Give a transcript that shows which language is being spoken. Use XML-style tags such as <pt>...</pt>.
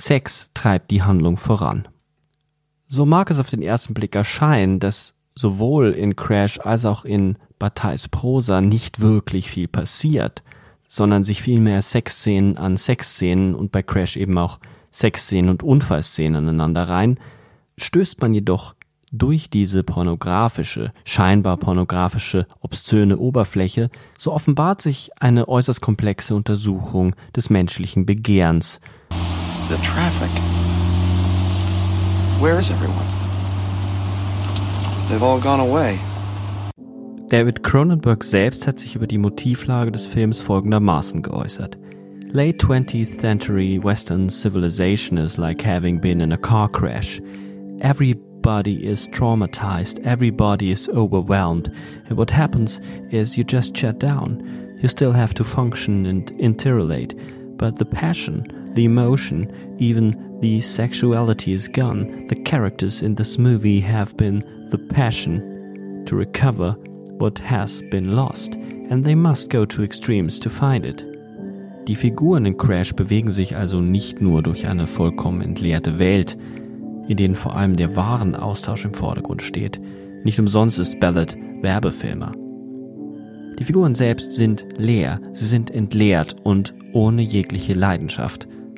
<de>Sex treibt die Handlung voran. So mag es auf den ersten Blick erscheinen, dass sowohl in Crash als auch in Batailles Prosa nicht wirklich viel passiert, sondern sich vielmehr Sexszenen an Sexszenen und bei Crash eben auch Sexszenen und Unfallszenen aneinander reihen, stößt man jedoch durch diese pornografische, scheinbar pornografische, obszöne Oberfläche, so offenbart sich eine äußerst komplexe Untersuchung des menschlichen Begehrens.</de> <en>The traffic. Where is everyone? They've all gone away.</en> <de>David Cronenberg selbst hat sich über die Motivlage des Films folgendermaßen geäußert.</de> <en>Late 20th century Western civilization is like having been in a car crash. Everybody is traumatized, everybody is overwhelmed, and what happens is you just shut down. You still have to function and interrelate, but the passion, the emotion, even the sexuality is gone. The characters in this movie have been the passion to recover what has been lost, and they must go to extremes to find it.</en> <de>Die Figuren in Crash bewegen sich also nicht nur durch eine vollkommen entleerte Welt, in denen vor allem der Warenaustausch im Vordergrund steht. Nicht umsonst ist Ballard Werbefilmer. Die Figuren selbst sind leer, sie sind entleert und ohne jegliche Leidenschaft.</de>